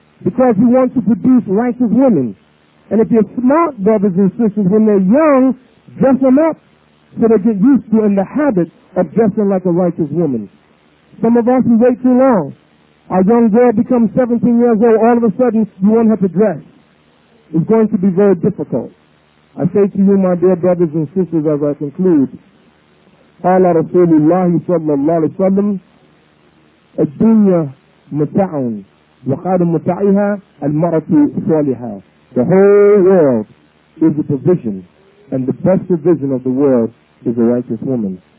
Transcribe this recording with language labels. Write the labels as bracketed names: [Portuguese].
[English] Because you want to produce righteous women. And if you're smart, brothers and sisters, when they're young, dress them up so they get used to and the habit of dressing like a righteous woman. Some of us, we wait too long. A young girl becomes 17 years old, all of a sudden, you want her to dress. It's going to be very difficult. I say to you, my dear brothers and sisters, as I conclude, [Arabic] قَالَ رَسُولُ اللَّهِ صَلَّى اللَّهِ عَلَيْهِ وَسَلَّمُ الدُّنْيَا مُتَعٌ وَقَالُ مُتَعِهَا الْمَرَةُ صَالِحَا. [English] The whole world is a provision, and the best provision of the world is a righteous woman.